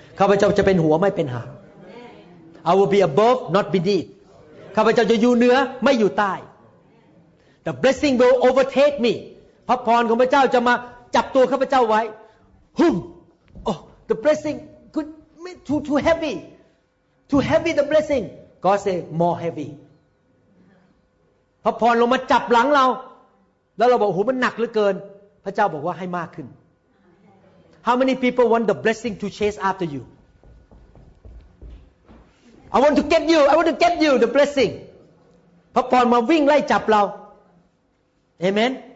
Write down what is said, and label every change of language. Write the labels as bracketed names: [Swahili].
[Thai] ข้าพเจ้าจะเป็นหัวไม่เป็นหาง [English] I will be above, not beneath. [Thai] ข้าพเจ้าจะอยู่เหนือไม่อยู่ใต้ [English] The blessing will overtake me. [Thai] พระพรของพระเจ้าจะมาจับตัวข้าพเจ้าไว้ Hum. [English] Oh, the blessing could be too heavy. To heavy the blessing, God say more heavy. [Thai] พระพรลงมาจับหลังเราแล้วเราบอกโอ้โหมันหนักเหลือเกินพระเจ้าบอกว่าให้มากขึ้น [English] How many people want the blessing to chase after you? I want to get you the blessing. [Thai] พระพรมาวิ่งไล่จับเรา [English] Amen.